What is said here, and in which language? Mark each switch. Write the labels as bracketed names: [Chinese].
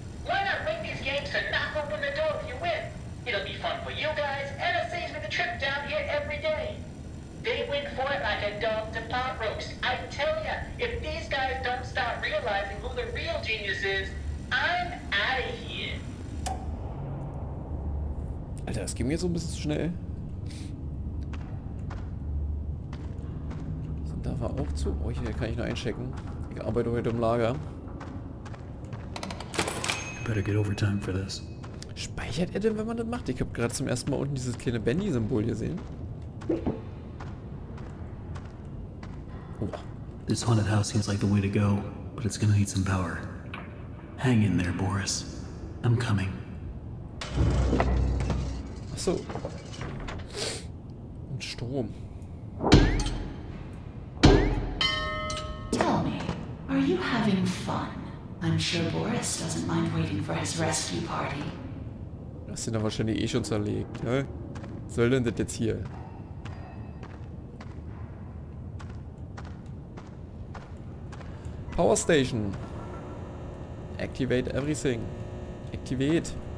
[English] Why not rig these games to knock open the door if you win? It'll be fun for you guys, and it saves me the trip down here every day. They went for it like a dog to pot roast. I tell ya, if these guys don't start realizing who the real genius is, I'm outta here. [German] Alter, das ging mir so ein bisschen zu schnell. So, da war auch zu. Oh, hier kann ich noch einchecken. Ich arbeite heute im Lager. [English] You better get overtime for this. [German] Speichert er denn, wenn man das macht? Ich habe gerade zum ersten Mal unten dieses kleine Benny-Symbol gesehen. [English] This haunted house seems like the way to go, but it's gonna need some power. Hang in there, Boris. I'm coming. [German] Achso. Und Strom. [English] Tell me, are you having fun? I'm sure Boris doesn't mind waiting for his rescue party. [German] Das sind doch wahrscheinlich eh schon zerlegt, ne? Was soll denn das jetzt hier? [English] Power Station. Activate everything. Activate.